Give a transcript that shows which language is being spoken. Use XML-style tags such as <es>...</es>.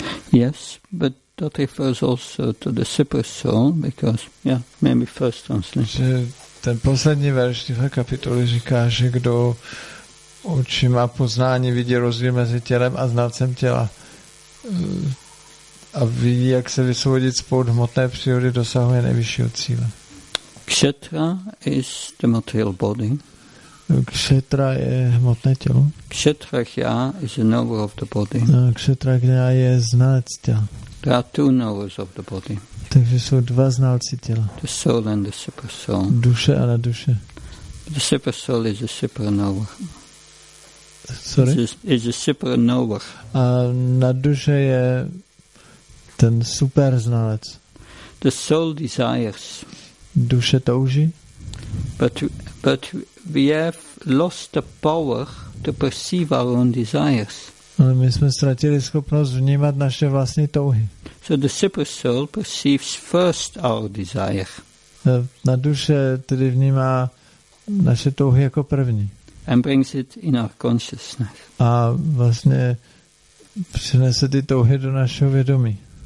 <en>Yes, but that refers also to the super soul, because, yeah, maybe first translation.</en> <cs>Ten poslední verš tohle kapitoly říká, že kdo očima poznání vidí rozdíl mezi tělem a znalcem těla a vidí, jak se vysvobodit spod hmotné přírody, dosahuje nejvyššího cíle.</cs> <en>Kshetra is the material body.</en> <cs>Kshetra je hmotné tělo.</cs> <en>Kshetrakya is a knower of the body.</en> <cs>Kshetrakya je znalec těla.</cs> <en>There are two knowers of the body.</en> <cs>Takže jsou dva znalci těla.</cs> <en>The soul and the super soul.</en> <cs>Duše a na duše.</cs> <en>The super soul is a super knower. Sorry? Is a super knower.</en> <cs>A na duše je ten super znalec.</cs> <en>The soul desires.</en> <cs>Duše touží.</cs> <en>But we have lost the power to perceive our own desires.</en> <cs>Ale my jsme ztratili schopnost vnímat naše vlastní touhy.</cs> <en>So the super soul perceives first our desire.</en> <cs>Na duše tedy vnímá naše touhy jako první.</cs> <en>And brings it in our consciousness.</en> <cs>A vlastně přinese ty touhy do našeho vědomí.</cs>